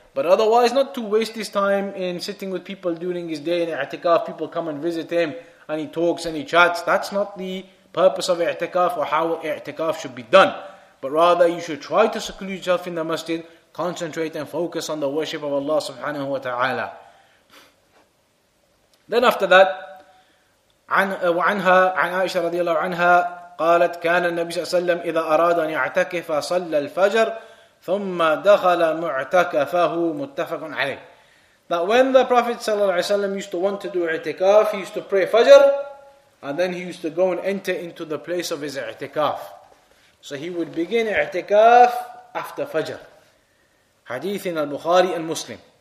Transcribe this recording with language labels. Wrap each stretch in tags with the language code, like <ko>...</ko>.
<en>But otherwise, not to waste his time in sitting with people during his day in i'tikaf. People come and visit him and he talks and he chats. That's not the purpose of i'tikaf or how i'tikaf should be done. But rather, you should try to seclude yourself in the masjid, concentrate and focus on the worship of Allah subhanahu wa ta'ala. Then after that,</en> <ar>عن Aisha رضي الله عنها قالت كان النبي صلى الله عليه وسلم إذا أراد أن يعتكف صلى الفجر ثُمَّ دَخَلَ مُعْتَكَفَهُ مُتَّفَقٌ عَلَيْهِ.</ar> <en>That when the Prophet ﷺ used to want to do i'tikaf, he used to pray Fajr, and then he used to go and enter into the place of his i'tikaf. So he would begin i'tikaf after Fajr. Hadith in al-Bukhari and Muslim.</en>